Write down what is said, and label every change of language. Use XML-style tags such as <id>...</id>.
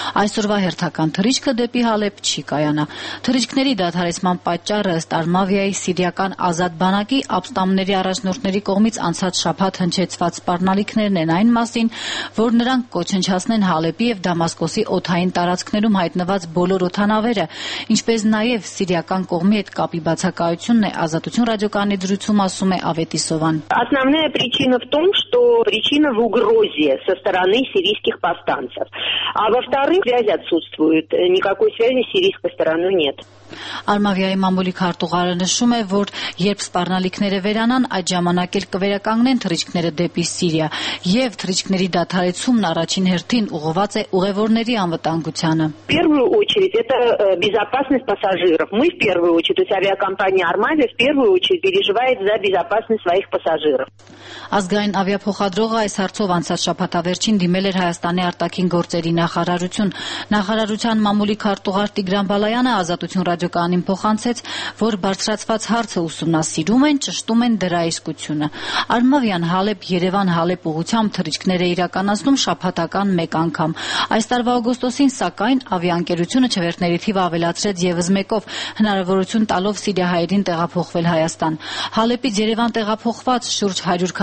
<hy>Այսօրվա հերթական թռիչքը դեպի Հալեպ չի կայանա։ Թռիչքների դադարեցման պատճառը ըստ Արմավիայի Սիրիական ազատ բանակի ապստամբների առաջնորդների կողմից անցած շաբաթ հնչեցված սպառնալիքներն են, այն մասին, որ նրանք կոչնչացնեն Հալեպի և Դամասկոսի օթային տարածքներում հայտնված բոլոր օթանավերը, ինչպես նաև Սիրիական կողմի հետ կապի բացակայությունն է, Ազատություն ռադիոկանի դրությամբ ասում է Ավետիսովան։</hy> <ru>Основная причина в том, что причина в угрозе со стороны сирийских повстанцев. А во-вторых, связь отсутствует, никакой связи с сирийской стороной нет.</ru> <hy>Արմավիայի մամուլի քարտուղարը նշում է, որ երբ սպառնալիքները վերանան, այդ ժամանակ էլ կվերականգնեն թռիչքները դեպի Սիրիա, եւ թռիչքների դադարեցումն առաջին հերթին ուղղված է ուղևորների անվտանգությանը։</hy> <ru>В первую очередь это безопасность пассажиров. Мы в первую очередь, то есть авиакомпания Armavia в первую очередь переживает за безопасность своих пассажиров.</ru> <hy>Ազգային ավիափոխադրողը այս հարցով անցած շաբաթավերջին դիմել էր Հայաստանի արտաքին գործերի նախարարություն։ Նախարարության մամուլի քարտուղար Տիգրան Բալայանը Ազատություն ռադիոկանին փոխանցեց, որ բարձրացված հարցը ուսումնասիրում են, ճշտում են դրա իսկությունը։ Արմավյան Հալեպ, Երևան Հալեպ ուղությամբ թռիչքները իրականացնում շաբաթական մեկ անգամ։ Այս տարվա օգոստոսին, սակայն, ավիաընկերությունը չվերթների թիվ ավելացրեց ևս մեկով, հնարավորություն տալով Սիրիահայերին տեղափոխվել Հայաստան։ Հալեպից Երևան տեղափոխված շուրջ 100</hy>